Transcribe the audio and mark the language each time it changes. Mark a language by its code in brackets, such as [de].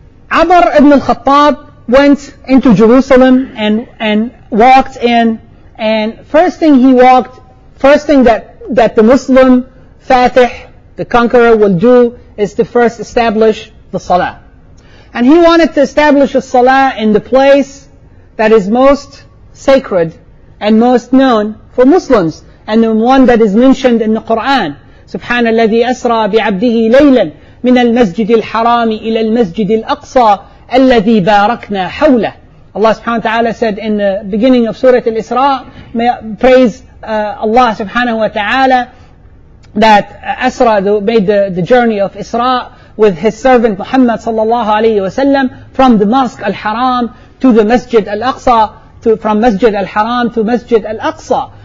[en] Amr ibn al-Khattab went into Jerusalem and walked in, and first thing that the Muslim Fatih, the conqueror, will do is to first establish the Salah. And he wanted to establish a Salah in the place that is most sacred and most known for Muslims, and the one that is mentioned in the Quran. [ar] سبحان الذي أسرى بعبده ليلا من المسجد الحرام إلى المسجد الأقصى الذي باركنا حوله. [en] Allah subhanahu wa ta'ala said in the beginning of Surah Al-Isra, praise Allah subhanahu wa ta'ala, that Asra made the journey of Isra with his servant Muhammad sallallahu alayhi wa sallam from the Mosque Al-Haram to the Masjid Al-Aqsa, from Masjid Al-Haram to Masjid Al-Aqsa.